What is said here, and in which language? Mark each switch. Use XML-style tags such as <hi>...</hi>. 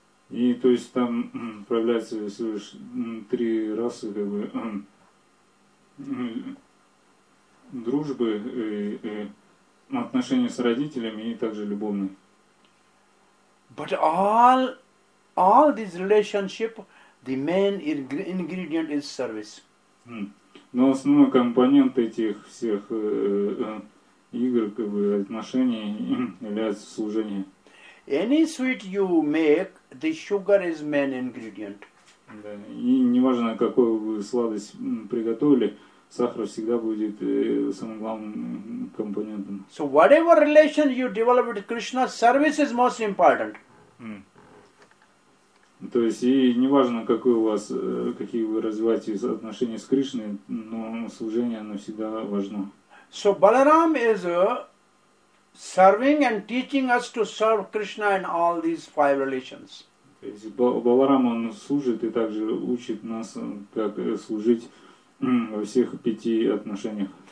<ru>И то есть там проявляются всего лишь 3 расы как бы дружбы, отношения с родителями и также любовные.</ru> <en>But all these relationship, the main ingredient is service.</en> <ru>Но основной компонент этих всех игр, как бы отношений, является служение.</ru> <en>Any sweet you make, the sugar is main ingredient.</en> <ru>Да, и неважно, какую вы сладость приготовили, сахар всегда будет самым главным компонентом.</ru> <en>So whatever relation you develop with Krishna, service is most important.</en> <ru>То есть и неважно, какой у вас, какие вы развиваете отношения с Кришной, но служение, оно всегда важно.</ru> <en>So Balaram is serving and teaching us to serve Krishna in all these 5 relations.</en> <ru>То есть Баларам, он служит и также учит нас, как служить во всех 5 отношениях.</ru>